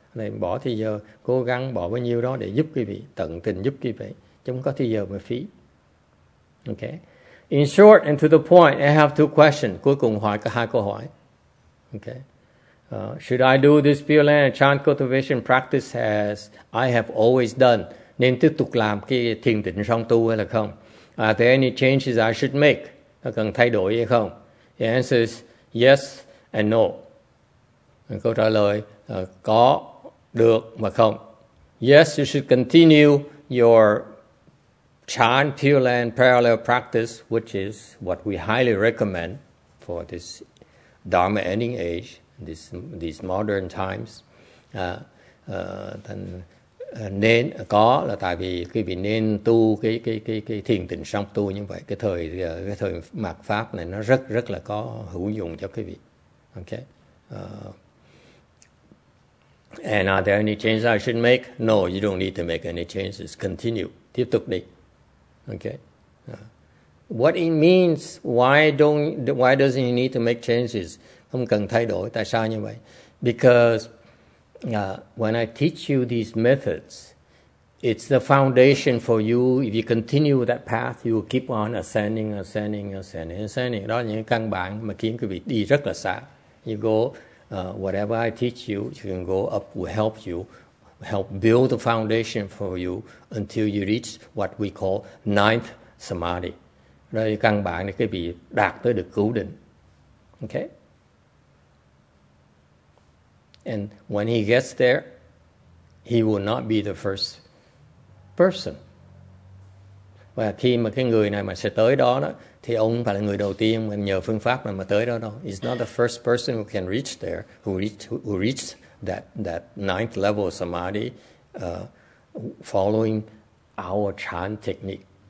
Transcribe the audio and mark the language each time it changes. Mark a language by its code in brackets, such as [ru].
[vi] Này bỏ thì giờ cố gắng bỏ bao nhiêu đó để giúp quý vị, tận tình giúp quý vị, chúng có thì giờ mà phí. [en] Okay, in short and to the point, I have two questions. [vi] Cuối cùng hỏi có hai câu hỏi. [en] Okay, should I do this Pure Land and Chant cultivation practice as I have always done, [vi] nên tiếp tục làm cái thiền định song tu hay là không? [en] Are there any changes I should make, [vi] cần thay đổi hay không? [en] The answer is yes and no. [vi] Câu trả lời có, được và không. [en] Yes, you should continue your Chan Pure Land parallel practice, which is what we highly recommend for for this Dharma ending age, these modern times. Then [vi] nên có là tại vì quý vị nên tu cái thiền tịnh song tu như vậy, cái thời mạt pháp này nó rất rất là có hữu dụng cho quý vị. [en] Okay. And are there any changes I should make? No, you don't need to make any changes. Continue. [vi] Tiếp tục đi. [en] Okay. What it means, why doesn't you need to make changes? [vi] Không cần thay đổi. Tại sao như vậy? [en] Because when I teach you these methods, it's the foundation for you. If you continue that path, you will keep on ascending. [vi] Đó là những căn bản mà khiến quý vị đi rất là xa. [en] You go, whatever I teach you, you can go up, will help you, help build the foundation for you until you reach what we call ninth samadhi. [vi] Đó là căn bản để quý vị đạt tới được cứu định. [en] Okay? And when he gets there, he will not be the first person. [vi] Và khi mà cái người này mà sẽ tới đó đó, thì ông phải là người đầu tiên mà nhờ phương pháp mà tới đó đâu. [en] He's not the first person who can reach there, who reached that ninth level of samadhi, following our chan technique.